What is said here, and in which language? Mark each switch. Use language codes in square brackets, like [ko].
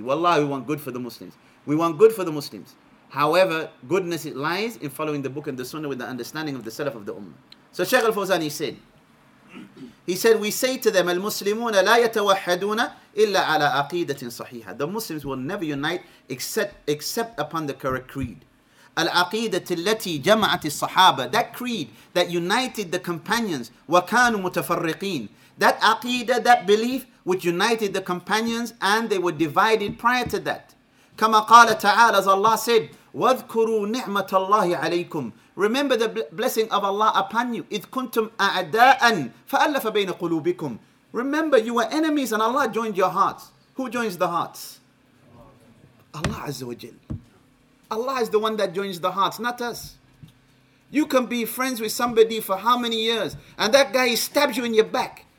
[en] Wallahi, we want good for the Muslims. We want good for the Muslims. However, goodness it lies in following the book and the sunnah with the understanding of the Salaf of the Ummah. So Shaykh Al-Fawzani said, we say to them, [ar] المسلمون لا يتوحدون إلا على عقيدة صحيحة. [en] The Muslims will never unite except upon the correct creed. [ar] العقيدة التي جمعت الصحابة. [en] That creed that united the companions. [ar] وكانوا متفرقين. [en] That عقيدة, that belief which united the companions and they were divided prior to that. [ar] كما قال تعالى, [en] as Allah said, [ar] واذكروا نعمة الله عليكم. [en] Remember the blessing of Allah upon you. [ar] إِذْ كُنْتُمْ أَعْدَاءً فَأَلَّفَ بَيْنَ قُلُوبِكُمْ. [en] Remember, you were enemies and Allah joined your hearts. Who joins the hearts? Allah Azza wa Jal. Allah is the one that joins the hearts, not us. You can be friends with somebody for how many years and that guy stabs you in your back.